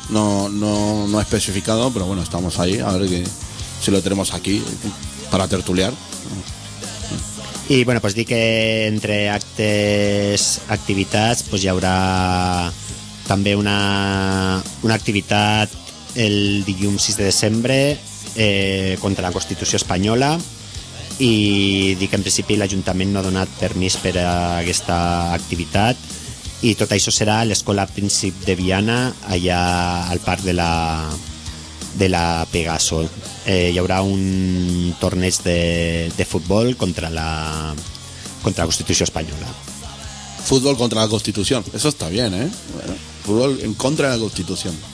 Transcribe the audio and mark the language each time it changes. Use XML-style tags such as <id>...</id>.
<es>No especificado, pero bueno, estamos ahí. A ver si lo tenemos aquí para tertuliar.</es> <ca>Y bueno, pues di que entre actes, activitats, pues hi haurà també una activitat el dilluns 6 de desembre contra la Constitució espanyola, i di que en principi l'Ajuntament no ha donat permís per a aquesta activitat, i tot això serà a l'Escola Príncep de Viana, allà al parc de la Pegasol. Hi haurà un torneig de futbol contra la Constitució espanyola. Futbol contra la Constitució,</ca> <es>eso está bien, ¿eh? Bueno, futbol en contra de la Constitució.</es>